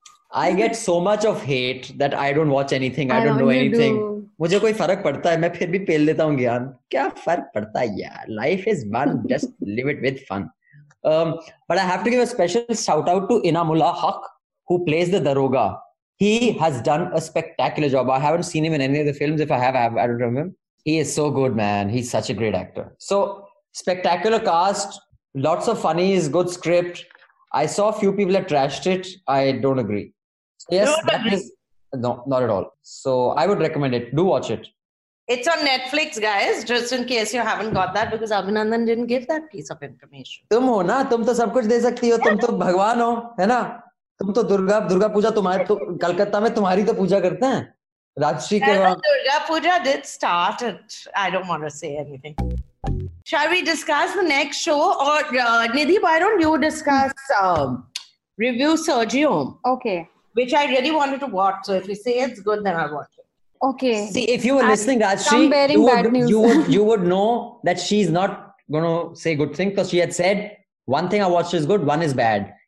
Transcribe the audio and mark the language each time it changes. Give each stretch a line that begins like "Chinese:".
English: I get so much of hate that I don't watch anything. I don't know anything.
Hindi: मुझे कोई फर्क पड़ता है, मैं फिर भी पेल लेता हूँ ज्ञान. क्या फर्क पड़ता है यार?
English: Life is one, just live it with fun. But I have to give a special shout out to Inamullah Haq, who plays the Daroga. He has done a spectacular job. I haven't seen him in any of the films. If I have, I don't remember him. He is so good, man. He's such a great actor. So, spectacular cast, lots of funnies, good script. I saw a few people that trashed it. I don't agree. Yes, not at all. So, I would recommend it. Do watch it. It's on Netflix, guys. Just in case you haven't got that, because Abhinandan didn't give that piece of information.
Hindi: Tum ho na? Tum to sab kuch de sakti ho. Tum to Bhagwan ho, hai na? तुम तो दुर्गा पूजा तुम्हारे तो कलकत्ता में तुम्हारी तो पूजा करते हैं राजश्री के वहां
English: Durga Puja did start it. I don't want to say anything. Shall we discuss the next show or Nidhi, why don't you discuss review Sergio? Okay. Which I really wanted to watch. So if you say it's good, then I'll watch it. Okay. See, if you were listening, Rajshree, you would know that she's not going to say good thing because she had said one thing I watched is good, one is bad.